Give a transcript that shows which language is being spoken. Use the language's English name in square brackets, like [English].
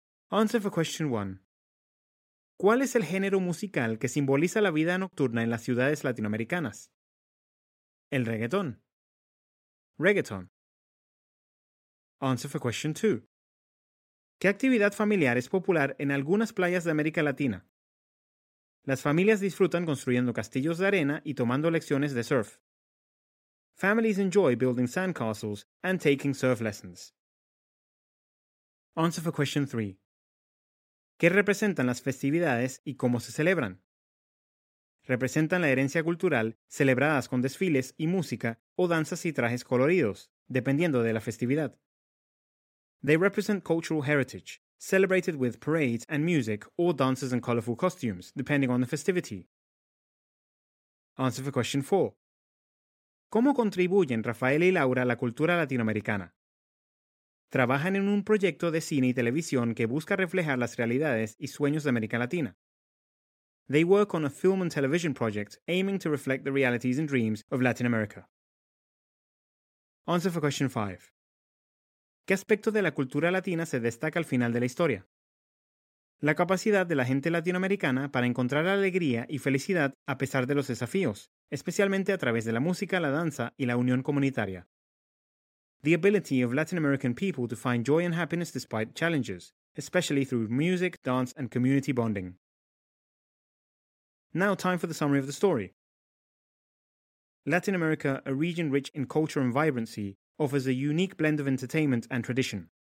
[English] Answer for question 1. [Spanish] ¿Cuál es el género musical que simboliza la vida nocturna en las ciudades latinoamericanas? El reggaetón. Reggaeton. [English] Answer for question 2. [Spanish] ¿Qué actividad familiar es popular en algunas playas de América Latina? Las familias disfrutan construyendo castillos de arena y tomando lecciones de surf. [English] Families enjoy building sandcastles and taking surf lessons. Answer for question 3. [Spanish] ¿Qué representan las festividades y cómo se celebran? Representan la herencia cultural celebradas con desfiles y música o danzas y trajes coloridos, dependiendo de la festividad. [English] They represent cultural heritage, celebrated with parades and music, or dances and colorful costumes, depending on the festivity. Answer for question 4. [Spanish] ¿Cómo contribuyen Rafael y Laura a la cultura latinoamericana? Trabajan en un proyecto de cine y televisión que busca reflejar las realidades y sueños de América Latina. [English] They work on a film and television project aiming to reflect the realities and dreams of Latin America. Answer for question 5. [Spanish] ¿Qué aspecto de la cultura latina se destaca al final de la historia? La capacidad de la gente latinoamericana para encontrar alegría y felicidad a pesar de los desafíos, especialmente a través de la música, la danza y la unión comunitaria. [English] The ability of Latin American people to find joy and happiness despite challenges, especially through music, dance, and community bonding. Now time for the summary of the story. Latin America, a region rich in culture and vibrancy, offers a unique blend of entertainment and tradition.